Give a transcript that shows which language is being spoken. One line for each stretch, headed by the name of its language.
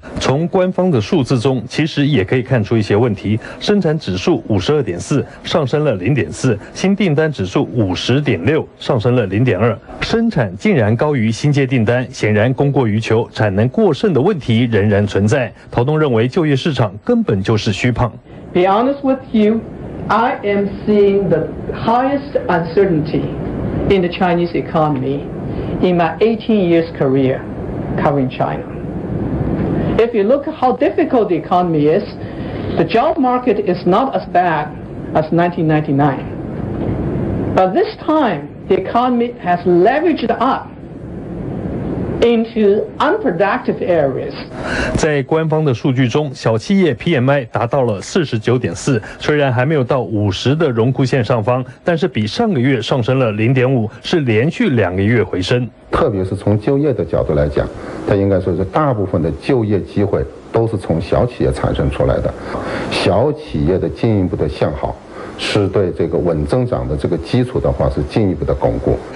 Chinese: 从官方的数字中其实也可以看出一些问题，生产指数 52.4 上升了 0.4， 新订单指数 50.6 上升了 0.2， 生产竟然高于新接订单，显然供过于求，产能过剩的问题仍然存在。陶东认为就业市场根本就是虚胖。
English: Be honest with you, I am seeing the highest uncertainty in the Chinese economy in my 18 years careercovering China. If you look at how difficult the economy is, the job market is not as bad as 1999. But this time, the economy has leveraged up. into unproductive areas。
Chinese: 在官方的数据中，小企业 PMI 达到了 49.4， 虽然还没有到50的荣枯线上方，但是比上个月上升了 0.5， 是连续两个月回升。特别是从就业的角度来讲，它应该说是大部分的就业机会都是从小企业产生出来的，小企业的进一步的向好是对这个稳增长的这个基础的话是进一步的巩固。